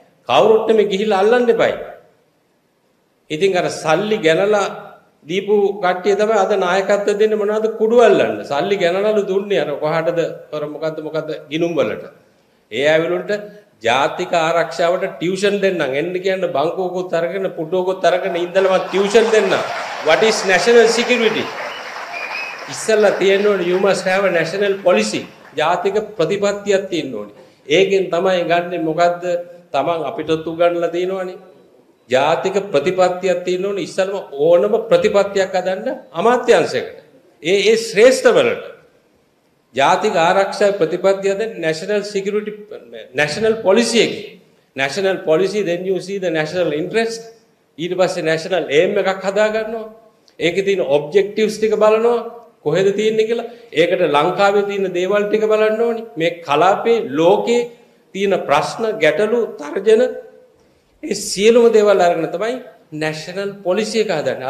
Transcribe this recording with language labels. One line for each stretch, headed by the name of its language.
Sinhala: කවුරුත් මේ ගිහිල්ලා අල්ලන්න එපයි. ඉතින් අර සල්ලි ගැනලා දීපු කට්ටිය තමයි අද නායකත්ව දෙන්නේ. මොනවද කුඩු අල්ලන්න සල්ලි ගැනලු දුන්නේ? අර කොහටද අර මොකද්ද මොකද්ද ගිනුම් වලට? ඒ ඇවිලුන්ට ජාතික ආරක්ෂාවට ටියුෂන් දෙන්නම් එන්න කියන්න. බංකුවකුත් අරගෙන පුඩුවකුත් අරගෙන ඉඳලා මම ටියුෂන් දෙන්නම්.
English: What is national security?
Sinhala: ඉස්සල්ලා තියෙන්න ඕනේ
English: you must have a national policy.
Sinhala: ජාතික ප්‍රතිපත්තියක් තියෙන්න ඕනේ. ඒකෙන් තමයි ගන්නෙ මොකද්ද? තමන් අපිටත් උගන්ලා තියෙනවනේ. ජාතික ප්‍රතිපත්තියක් තියෙන්න ඕනේ ඉස්සල්ම ඕනම ප්‍රතිපත්තියක් හදන්න අමාත්‍යංශයකට. ඒ ඒ ශ්‍රේෂ්ඨවලට. ජාතික ආරක්ෂා ප්‍රතිපත්තිය දැන්
English: national security national policy
Sinhala: එක.
English: National policy then you see the national interest.
Sinhala: ඊට පස්සේ national aim එකක් හදා ගන්නවා. ඒකේ තියෙන objectives ටික බලනවා. කොහෙද තියෙන්නේ කියලා. ඒකට ලංකාවේ තියෙන දේවල් ටික බලන්න ඕනි. මේ කලාපේ ලෝකේ තියෙන ප්‍රශ්න, ගැටලු, තර්ජන ඒ සියලුම දේවල් අරගෙන තමයි නැෂනල් පොලිසිය එක හදන්නේ.